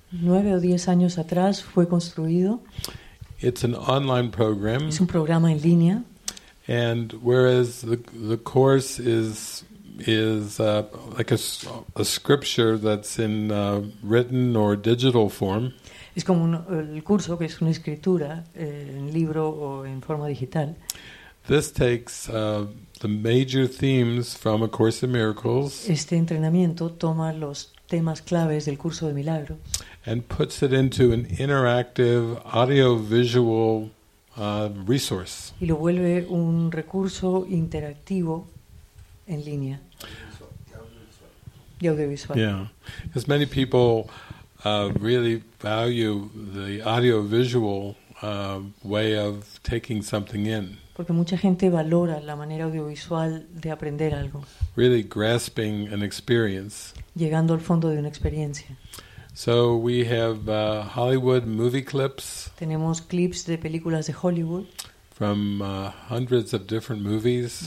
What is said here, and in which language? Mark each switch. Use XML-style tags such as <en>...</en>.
<es>9 o 10 años atrás fue construido.</es> <en>It's an online program.</en> <es>Es un programa en línea.</es> <en>And whereas the course is like a scripture that's in written or digital form.</en> <es>Es como el curso que es una escritura en libro o en forma digital.</es> <en>This takes the major themes from A Course in Miracles.</en> <es>Este entrenamiento toma los temas claves del curso de milagros.</es> <en>And puts it into an interactive audiovisual resource.</en> <es>Y lo vuelve un recurso interactivo en línea. Y audiovisual.</es> <en>Yeah, as many people really value the audiovisual way of taking something in.</en> <es>Porque mucha gente valora la manera audiovisual de aprender algo.</es> <en>Really grasping an experience.</en> <es>Llegando al fondo de una experiencia.</es> <en>So we have Hollywood movie clips.</en> <es>Tenemos clips de películas de Hollywood.</es> <en>From hundreds of different movies.</en>